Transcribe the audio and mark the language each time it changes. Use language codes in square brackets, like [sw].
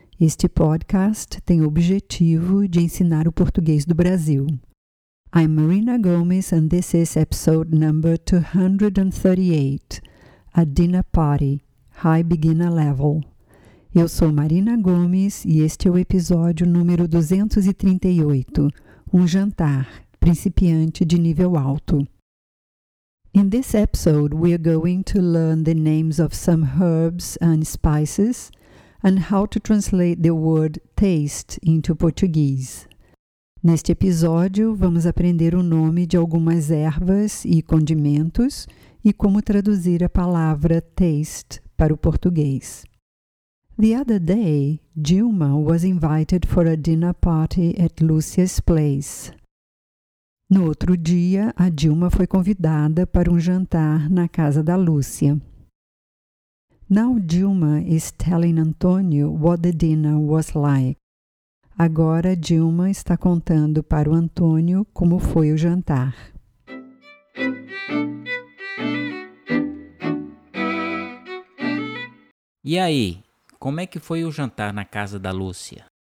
[pt] Este podcast tem o objetivo de ensinar o português do Brasil. [en] I'm Marina Gomes and this is episode number 238, A Dinner Party, High Beginner Level. [pt] Eu sou Marina Gomes e este é o episódio número 238, Um Jantar, Principiante de Nível Alto. [en] In this episode, we are going to learn the names of some herbs and spices and how to translate the word taste into Portuguese. [pt] Neste episódio, vamos aprender o nome de algumas ervas e condimentos e como traduzir a palavra taste para o português. [en] The other day, Dilma was invited for a dinner party at Lucia's place. [pt] No outro dia, a Dilma foi convidada para um jantar na casa da Lúcia. [en] Now Dilma is telling Antonio what the dinner was like. [pt] Agora Dilma está contando para o Antônio como foi o jantar. E aí, como é que foi o jantar na casa da Lúcia?